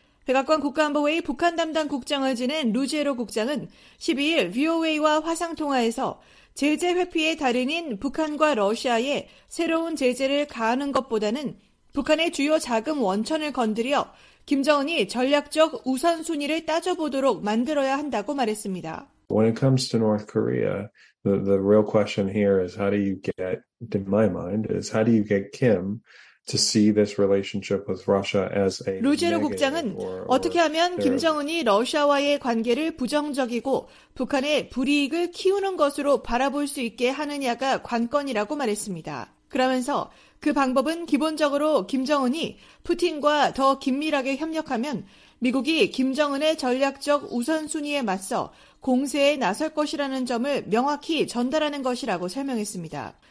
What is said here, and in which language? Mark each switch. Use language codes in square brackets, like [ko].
[ko] 백악관 국가안보회의 북한 담당 국장을 지낸 루지에로 국장은 12일 VOA와 화상통화에서 제재 회피의 달인인 북한과 러시아에 새로운 제재를 가하는 것보다는 북한의 주요 자금 원천을 건드려 김정은이 전략적 우선순위를 따져보도록 만들어야 한다고 말했습니다. [en] When it comes to North Korea, the real question here is how do you get, in my mind, is how do you get Kim to see this relationship with Russia as a [ko] 루제로 국장은 어떻게 하면 김정은이 러시아와의 관계를 부정적이고 북한의 불이익을 키우는 것으로 바라볼 수 있게 하느냐가 관건이라고 말했습니다. 그러면서 그 방법은 기본적으로 김정은이 푸틴과 더 긴밀하게 협력하면 미국이 김정은의 전략적 우선순위에 맞서 공세에 나설 것이라는 점을 명확히 전달하는 것이라고 설명했습니다.